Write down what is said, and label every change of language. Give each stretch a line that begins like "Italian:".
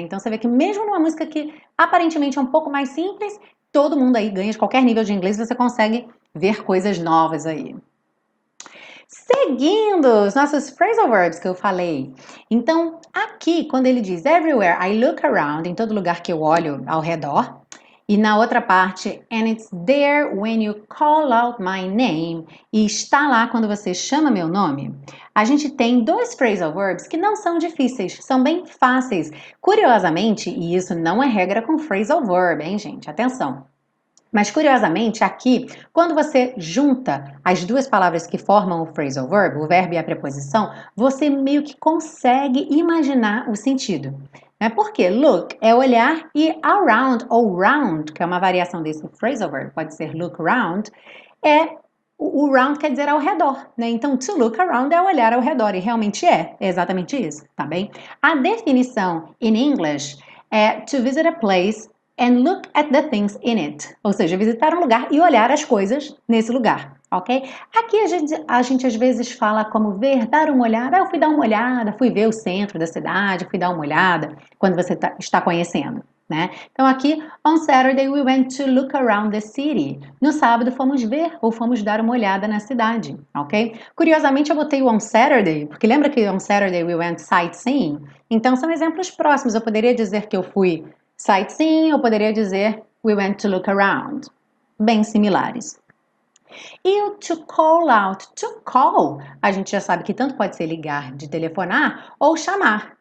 Portuguese: Então você vê que mesmo numa música que aparentemente é um pouco mais simples, todo mundo aí ganha de qualquer nível de inglês, você consegue ver coisas novas aí. Seguindo os nossos phrasal verbs que eu falei. Então, aqui, quando ele diz
English: everywhere I look around,
Portuguese: em todo lugar que eu olho ao redor, E na outra parte,
English: and it's there when you call out my name.
Portuguese: E está lá quando você chama meu nome. A gente tem dois phrasal verbs que não são difíceis, são bem fáceis. Curiosamente, e isso não é regra com phrasal verb, hein, gente? Atenção. Mas curiosamente, aqui, quando você junta as duas palavras que formam o phrasal verb, o verbo e a preposição, você meio que consegue imaginar o sentido. É porque look é olhar e around ou round, que é uma variação desse phrasal verb, pode ser look round, é o round quer dizer ao redor, né? Então, to look around é olhar ao redor e realmente é exatamente isso, tá bem? A definição in English é
English: to visit a place and look at the things in it,
Portuguese: ou seja, visitar um lugar e olhar as coisas nesse lugar. Ok? Aqui a gente às vezes fala como ver, dar uma olhada. Ah, eu fui dar uma olhada, fui ver o centro da cidade, fui dar uma olhada quando você está conhecendo, né? Então aqui,
English: on Saturday we went to look around the city.
Portuguese: No sábado fomos ver ou fomos dar uma olhada na cidade, ok? Curiosamente eu botei o on Saturday, porque lembra que
English: on Saturday we went sightseeing?
Portuguese: Então são exemplos próximos. Eu poderia dizer que eu fui sightseeing, eu poderia dizer
English: we went to look around.
Portuguese: Bem similares. E o
English: to call out, to call,
Portuguese: a gente já sabe que tanto pode ser ligar de telefonar ou chamar.